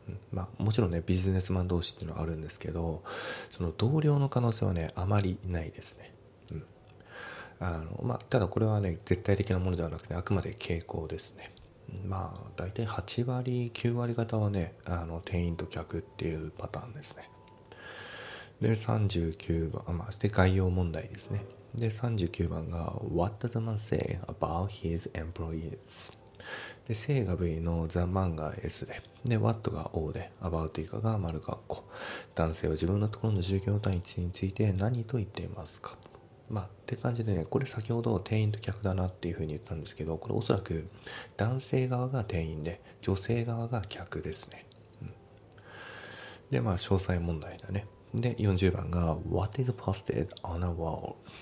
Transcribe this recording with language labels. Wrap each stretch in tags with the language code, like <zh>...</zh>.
<ja>まあ、もちろんねビジネスマン同士っていうのはあるんですけど、その同僚の可能性はねあまりないですね、うん、まあ、ただこれはね絶対的なものではなくて、ね、あくまで傾向ですね。まあ大体8割9割方はね店員と客っていうパターンですね。で39番、まあ、で概要問題ですね。で39番が</ja> <en>What does the man say about his employees?</en> <ja>で性が V の</ja> <en>The man</en> <ja>が S で、で What が O で、 About 以下が丸括弧、男性は自分のところの従業員について何と言っていますか、まあって感じでね、これ先ほど店員と客だなっていうふうに言ったんですけど、これおそらく男性側が店員で女性側が客ですね、うん、でまあ詳細問題だね。で40番が</ja> <en>What is posted on a wall?</en>